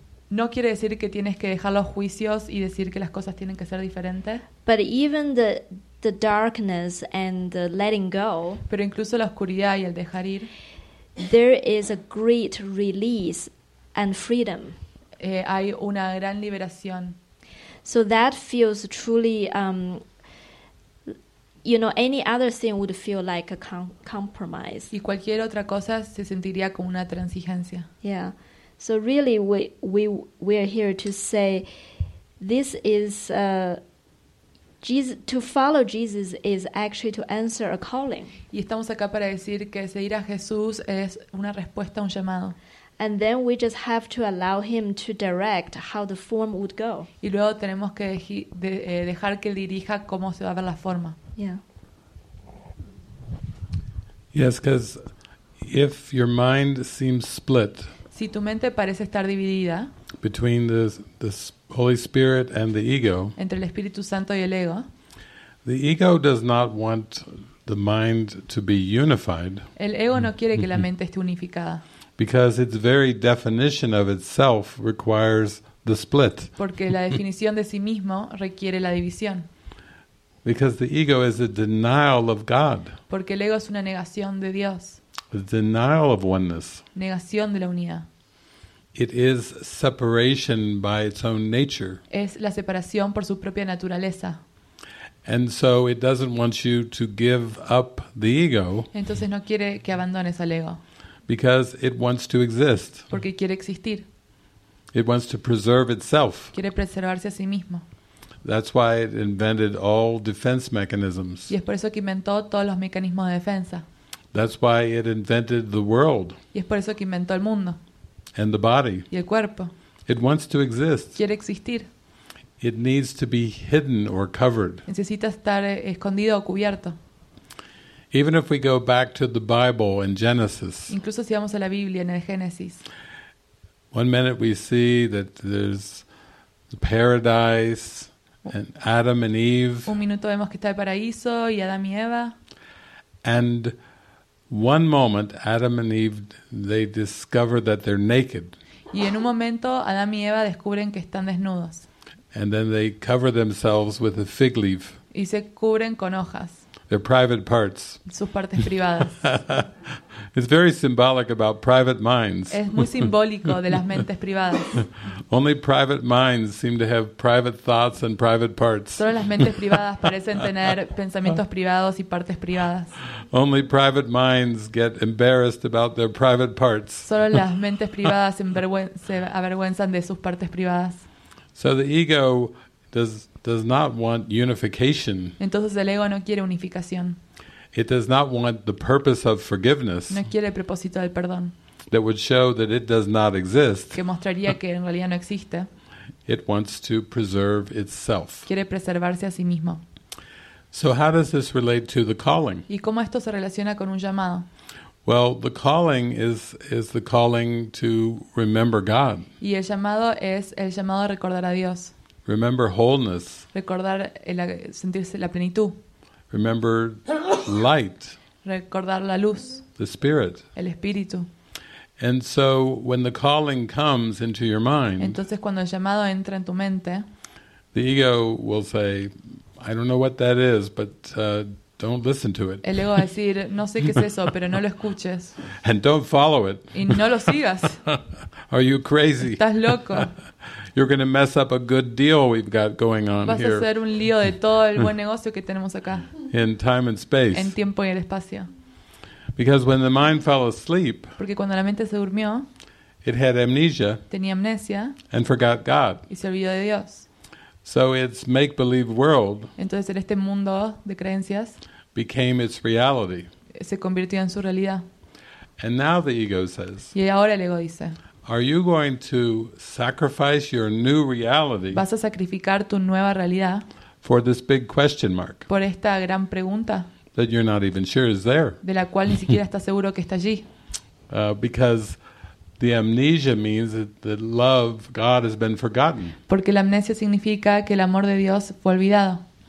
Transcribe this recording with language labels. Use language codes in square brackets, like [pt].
[es] No quiere decir que tienes que dejar los juicios y decir que las cosas tienen que ser diferentes. [en] But even the darkness and the letting go. [es] Pero incluso la oscuridad y el dejar ir. [en] There is a great release and freedom. [es] Hay una gran liberación. [en] So that feels truly you know, any other thing would feel like a compromise. [es] Y cualquier otra cosa se sentiría como una transigencia. [en] Yeah. So really we are here to say this is to follow Jesus is actually to answer a calling. [es] Y estamos acá para decir que seguir a Jesús es una respuesta a un llamado. [en] And then we just have to allow him to direct how the form would go. [es] Y luego tenemos que dejar que él dirija cómo se va a ver la forma. [en] Yeah. Yes, because if your mind seems split, [es] si tu mente parece estar dividida, [en] between the Holy Spirit and the ego, [es] entre el Espíritu Santo y el ego, [en] the ego does not want the mind to be unified. [es] El ego no quiere que la mente esté unificada. [en] Because its very definition of itself requires the split. [es] Porque la definición de sí mismo requiere la división. [en] Because the ego is a denial of God. [es] Porque el ego es una negación de Dios. [en] A denial of oneness. [es] Negación de la unidad. [en] It is separation by its own nature. [es] Es la separación por su propia naturaleza. [en] And so it doesn't want you to give up the ego. [es] Entonces no quiere que abandones al ego. [en] Because it wants to exist. [es] Porque quiere existir. [en] It wants to preserve itself. [es] Quiere preservarse a sí mismo. [en] That's why it invented all defense mechanisms. [es] Y es por eso que inventó todos los mecanismos de defensa. [en] That's why it invented the world. [es] Y es por eso que inventó el mundo. [en] And the body. [es] Y el cuerpo. [en] It wants to exist. [es] Quiere existir. [en] It needs to be hidden or covered. [es] Necesita estar escondido o cubierto. [en] Even if we go back to the Bible in Genesis. [es] Incluso si vamos a la Biblia en el Génesis. [en] One minute we see that there's the paradise and Adam and Eve. [es] Un minuto vemos que está el paraíso y Adán y Eva. [en] And one moment Adam and Eve they discover that they're naked. [es] Y en un momento Adán y Eva descubren que están desnudos. [en] And then they cover themselves with a fig leaf. [es] Y se cubren con hojas. [en] Their private parts. [es] Sus partes privadas. [en] It's very symbolic about private minds. [es] Es muy simbólico de las mentes privadas. [en] Only private minds seem to have private thoughts and private parts. [es] Solo las mentes privadas parecen tener pensamientos privados y partes privadas. [en] Only private minds get embarrassed about their private parts. [es] Solo las mentes privadas se avergüenzan de sus partes privadas. [en] So the ego does not want unification. [es] Entonces el ego no quiere unificación. [en] It does not want the purpose of forgiveness. [es] No quiere el propósito del perdón. [en] That would show that it does not exist. [es] Que mostraría que en realidad no existe. [en] It wants to preserve itself. [es] Quiere preservarse a sí mismo. [en] So how does this relate to the calling? [es] ¿Y cómo esto se relaciona con un llamado? [en] Well, the calling is the calling to remember God. [es] Y el llamado es el llamado a recordar a Dios. [en] Remember wholeness. [es] Recordar el sentirse la plenitud. [en] Remember light. [es] Recordar la luz. [en] The spirit. [es] El espíritu. [en] And so when the calling comes into your mind. [es] Entonces cuando el llamado entra en tu mente. [en] The ego will say, I don't know what that is, but don't listen to it. [es] El ego va a decir, no sé qué es eso, pero no lo escuches. [en] And don't follow it. [es] Y no lo sigas. [en] Are you crazy? [es] ¿Estás loco? [en] You're going to mess up a good deal we've got going on here. [es] Vas a hacer un lío de todo el buen negocio que tenemos acá. [en] In time and space. [es] En tiempo y el espacio. [en] Because when the mind fell asleep. [es] Porque cuando la mente se durmió. [en] It had amnesia. [es] Tenía amnesia. [en] And forgot God. [es] Y se olvidó de Dios. [en] So its make-believe world. [es] Entonces en este mundo de creencias. [en] Became its reality. [es] Se convirtió en su realidad. [en] And now the ego says. [es] Y ahora el ego dice. [en] Are you going to sacrifice your new reality? [es] ¿Vas a sacrificar tu nueva realidad? [en] For this big question mark. [es] Por esta gran pregunta. [en] That you're not even sure is there. [es] De la cual ni siquiera estás seguro que está allí. [en] Because the amnesia means that love God has been forgotten. [es] Porque la amnesia significa que el amor de Dios fue olvidado.